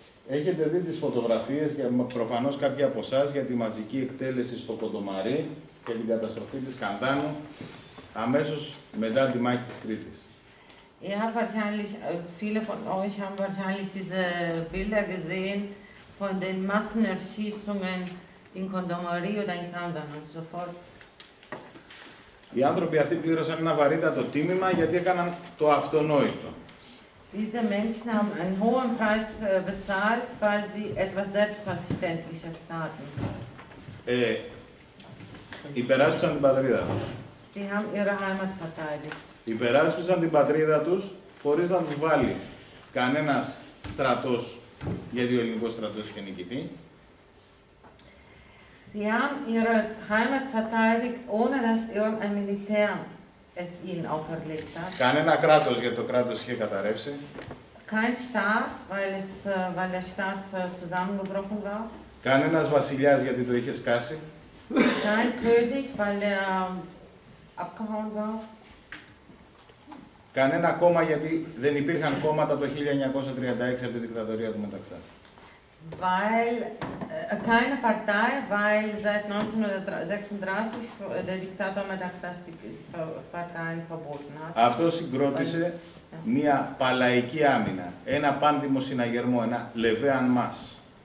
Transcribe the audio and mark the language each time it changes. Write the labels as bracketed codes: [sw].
[el] Έχετε δει τις φωτογραφίες, προφανώς κάποιοι από εσάς, για τη μαζική εκτέλεση στο Κοντομαρί και την καταστροφή της Καντάνου αμέσως μετά τη μάχη της Κρήτης. [de] Ja, wahrscheinlich, viele von euch haben wahrscheinlich diese Bilder gesehen von den Massenerschießungen in Kondomari oder in Kandano, sofort. [el] Οι άνθρωποι αυτοί πλήρωσαν ένα βαρύτατο τίμημα γιατί έκαναν το αυτονόητο. [de] Diese Menschen haben einen hohen Preis bezahlt, weil sie etwas Selbstverständliches taten. [el] Υπεράσπισαν την πατρίδα τους. [de] Sie haben ihre Heimat verteidigt. [el] Υπεράσπισαν την πατρίδα τους χωρίς να τους βάλει κανένας στρατός, γιατί ο ελληνικός στρατός είχε νικηθεί. [de] Sie haben ihre Heimat verteidigt, ohne dass irgendein Militär es ihnen auferlegt hat. [el] Κανένα κράτος, γιατί το κράτος είχε καταρρεύσει. [de] Kein Staat, weil der Staat zusammengebrochen war. [el] Κανένας βασιλιάς, γιατί το είχε σκάσει. [de] Kein König, weil der abgehauen war. [el] Κανένα κόμμα, γιατί δεν υπήρχαν κόμματα το 1936 από τη δικτατορία του Μεταξά. [de] Weil keine Partei, weil seit 1936 der Diktator Metaxas die Parteien verboten hat. [el] Αυτό συγκρότησε μια παλαϊκή άμυνα, ένα πάντιμο συναγερμό, ένα [fr] levée en masse.